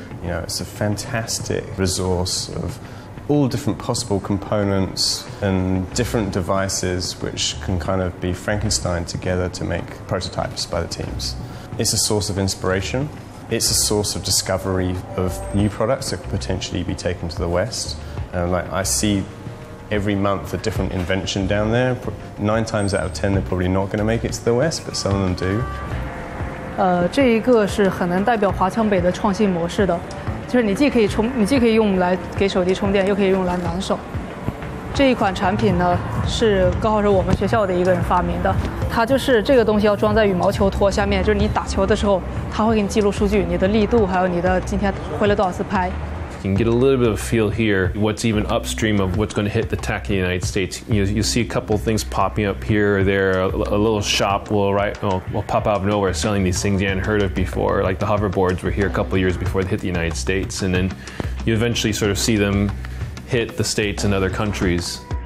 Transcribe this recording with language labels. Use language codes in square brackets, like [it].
[en] You know, it's a fantastic resource of all different possible components and different devices which can kind of be Frankenstein together to make prototypes by the teams. It's a source of inspiration. It's a source of discovery of new products that could potentially be taken to the West. And like, I see every month a different invention down there. 9 times out of 10, they're probably not going to make it to the West, but some of them do. [zh] 这一个是很能代表华强北的创新模式的，就是你既可以充，你既可以用来给手机充电，又可以用来拿手。这一款产品呢，是高浩是我们学校的一个人发明的。它就是这个东西要装在羽毛球托下面，就是你打球的时候，它会给你记录数据，你的力度，还有你的今天挥了多少次拍。 [en] You can get a little bit of feel here. What's even upstream of what's going to hit the tacky United States? You see a couple of things popping up here or there. A little shop will pop out of nowhere selling these things you hadn't heard of before. Like the hoverboards were here a couple of years before they hit the United States. And then you eventually sort of see them hit the States and other countries.